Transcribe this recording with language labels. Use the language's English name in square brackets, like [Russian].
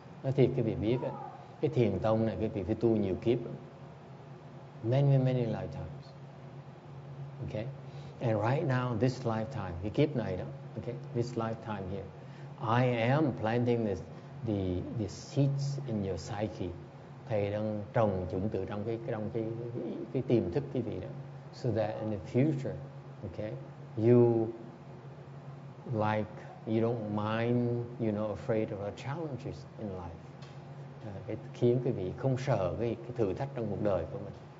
[Vietnamese] Nói thiệt quý vị biết đó, cái thiền tông này quý vị phải tu nhiều kiếp đó. [English] Many lifetimes. Okay? And right now this lifetime, [Vietnamese] cái kiếp này đó, [English] okay? This lifetime here, I am planting this the seeds in your psyche. [Vietnamese] Thầy đang trồng chủng tử trong cái tiềm thức quý vị đó. [English] So that in the future, okay, you like, you don't mind, you know, afraid of the challenges in life. [Vietnamese] Cái khiến quý vị không sợ cái thử thách trong cuộc đời của mình.